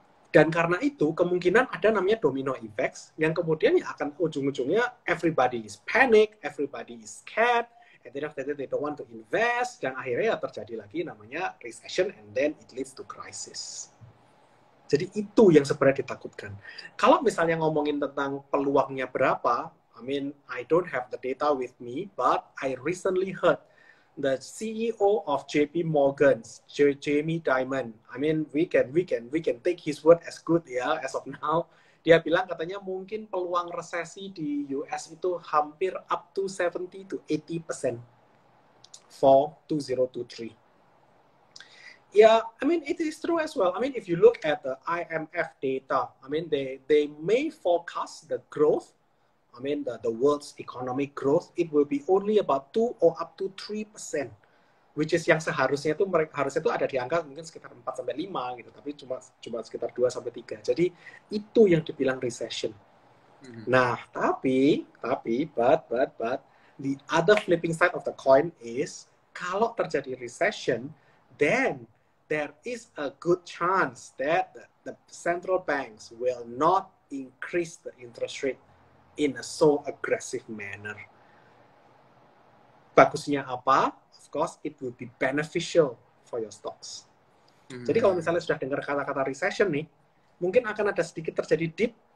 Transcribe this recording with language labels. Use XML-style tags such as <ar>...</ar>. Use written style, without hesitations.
<id>Dan karena itu, kemungkinan ada namanya domino effects, yang kemudian ya akan ujung-ujungnya</id> <en>everybody is panic, everybody is scared, and then after that they don't want to invest,</en> <id>dan akhirnya ya terjadi lagi namanya recession,</id> <en>and then it leads to crisis.</en> <id>Jadi itu yang sebenarnya ditakutkan. Kalau misalnya ngomongin tentang peluangnya berapa,</id> <en>I mean, I don't have the data with me, but I recently heard the CEO of JP Morgan, Jamie Dimon. I mean, we can take his word as good ya, yeah, as of now.</en> <id>Dia bilang katanya mungkin peluang resesi di US itu hampir</id> <en>up to 70-80% for 2023. Ya, yeah, I mean it is true as well. I mean if you look at the IMF data, I mean they may forecast the growth, I mean, the world's economic growth, it will be only about 2 or up to 3%. Which is</en> <id>yang seharusnya itu, harusnya itu ada di angka mungkin sekitar 4-5 gitu. Tapi cuma sekitar 2-3. Jadi, itu yang dibilang recession. Mm-hmm.</id> <en>Nah, but, the other flipping side of the coin is,</en> <id>kalau terjadi recession,</id> <en>then there is a good chance that the central banks will not increase the interest rate in a so aggressive manner. Bagusnya apa? Of course, it will be beneficial for your stocks. Mm-hmm.</en> <id>Jadi kalau misalnya sudah dengar kata-kata recession nih, mungkin akan ada sedikit terjadi dip.</id>